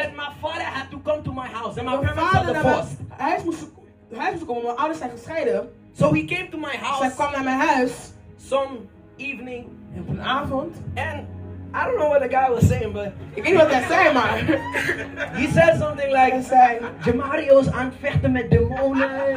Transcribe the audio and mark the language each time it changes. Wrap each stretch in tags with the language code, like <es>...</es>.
<nl>dat mijn vader</nl> <en>had to come to my house and my parents had divorced.</en> <nl>Hij moest komen, mijn ouders zijn gescheiden.</nl> <en>So he came to my house.</en> <nl>Hij kwam naar mijn huis.</nl> <en>Some evening.</en> <nl>Op een avond.</nl> <en>And I don't know what the guy was saying, but</en> <nl>ik weet niet wat hij zei, maar</nl> <en>he said something like, Jamario's</en> <nl>aan het vechten met demonen.</nl>